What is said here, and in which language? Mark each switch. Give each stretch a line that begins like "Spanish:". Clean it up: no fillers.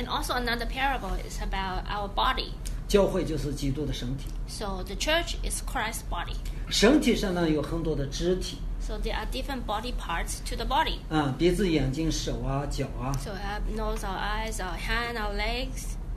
English: And also another parable is about our body.
Chinese: 教会就是基督的身体。
English: So the church is Christ's body.
Chinese: 身体上呢有很多的肢体。
English: So there are different body parts to the body.
Chinese: 啊，鼻子、眼睛、手啊、脚啊。
English: So our nose, our eyes, our hand, our legs.